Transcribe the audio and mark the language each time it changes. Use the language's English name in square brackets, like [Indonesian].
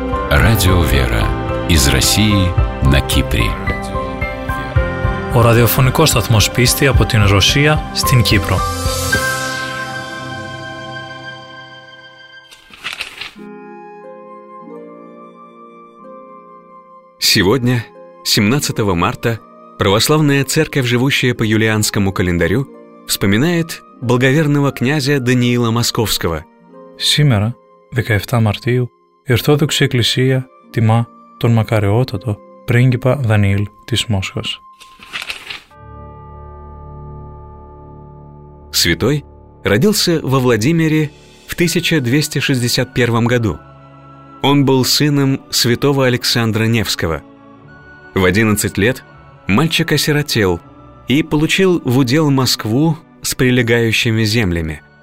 [Russian] Радио «Вера» из России на Кипре. [Greek] Ο ραδιοφωνικός σταθμός πίστη από την Ρωσία στην Κύπρο. [Russian] Сегодня, 17 марта, православная церковь, живущая по юлианскому календарю, вспоминает благоверного князя Даниила Московского. Сегодня, 17 марта, [Greek] η Ορθόδοξη Εκκλησία τιμά τον μακαριότατο πρίγκιπα Δανιήλ της Μόσχας. [Russian] Святой родился во Владимире в 1261 году. Он был сыном святого Александра Невского. В 11 лет мальчик осиротел и получил в удел Москву с прилегающими землями.